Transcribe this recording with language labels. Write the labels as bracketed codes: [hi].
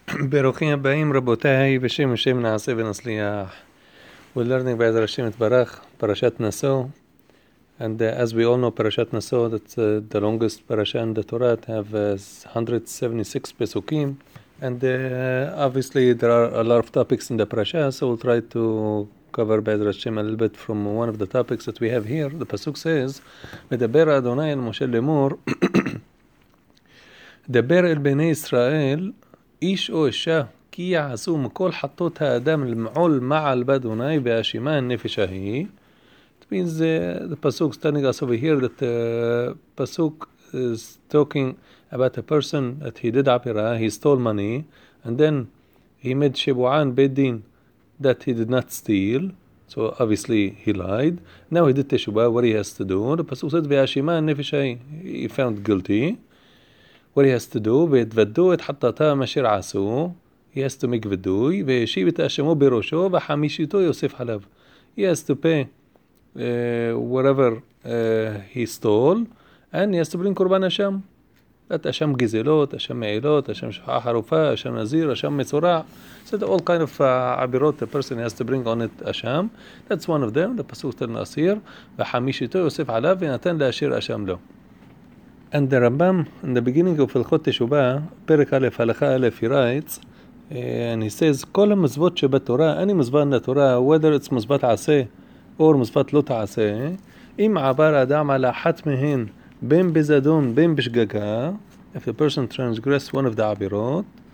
[he] ברוכים הבאים רבותיי, בשם השם נעשה ונצליח. [en] We're learning by the Hashem Yitbarach, Parashat Naso. And as we all know, Parashat Naso, that's the longest parasha in the Torah, to have 176 pesukim. And obviously there are a lot of topics in the parasha, so we'll try to cover by the Hashem a little bit from one of the topics that we have here. The pasuk says, [he] "Medaber Adonai el Moshe lemur, Daber el Bnei Israel, איש או אישה, כי יעשו מכל חטות האדם למעול מעל באדוני והאשימה הנפש ההיא. [en] It means the pasuk standing us over here, that pasuk is talking about a person that he did apira, he stole money, and then he made shebu'an bedin that he did not steal, so obviously he lied. Now he did teshuba, what he has to do? The pasuk said, [he] והאשימה הנפש ההיא, [en] he found guilty. What he has to do, [he] ויתוודו את חטאתה אשר עשו, [en] he has to make [he] ודוי, וישיב את אשמו בראשו, וחמישיתו יוסף עליו. [en] He has to pay whatever he stole, and he has to bring קורבן אשם. [he] את אשם גזלות, אשם מעילות, אשם שפחה חרופה, אשם נזיר, אשם מצורע. [en] So the all kind of עבירות the person has to bring on it אשם. That's one of them, [he] the פסוק של נאסיר, וחמישיתו יוסף עליו, ונתן להשאיר אשם לו. [en] And the Rambam, in the beginning of Hilchot Teshuvah, Perek Aleph, Halakha Aleph, he writes, and he says, [he] כל המצוות שבתורה, אני מצווה [en] in the Torah, whether it's מצוות עשה, or [he] מצוות לא תעשה, אם עבר אדם על אחת מהן, בין בזדון, בין בשגגה, [en] if the person transgressed one of the עבירות,